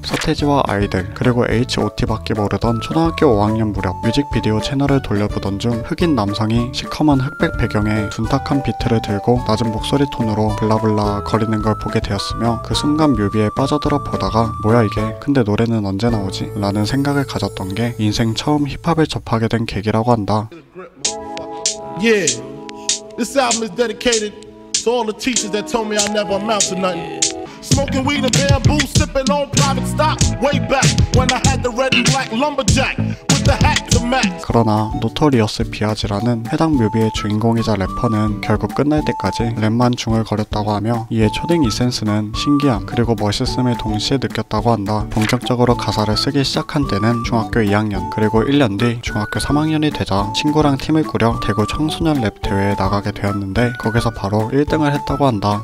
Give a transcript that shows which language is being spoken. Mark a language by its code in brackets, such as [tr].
[ko] 서태지와 아이들, 그리고 H.O.T밖에 모르던 초등학교 5학년 무렵 뮤직비디오 채널을 돌려보던 중 흑인 남성이 시커먼 흑백 배경에 둔탁한 비트를 들고 낮은 목소리 톤으로 블라블라 거리는 걸 보게 되었으며 그 순간 뮤비에 빠져들어 보다가 뭐야 이게? 근데 노래는 언제 나오지? 라는 생각을 가졌던 게 인생 처음 힙합을 접하게 된 계기라고 한다. [en] Yeah, this album is dedicated to all the teachers that told me I never amount to nothing. Smoking weed and bamboo, sipping on private stock. Way back when I had the red and black lumberjack. [ko] 그러나 노토리어스 비아지라는 해당 뮤비의 주인공이자 래퍼는 결국 끝날 때까지 랩만 중얼거렸다고 하며 이에 초딩 이센스는 신기함 그리고 멋있음을 동시에 느꼈다고 한다. 본격적으로 가사를 쓰기 시작한 때는 중학교 2학년 그리고 1년 뒤 중학교 3학년이 되자 친구랑 팀을 꾸려 대구 청소년 랩 대회에 나가게 되었는데 거기서 바로 1등을 했다고 한다.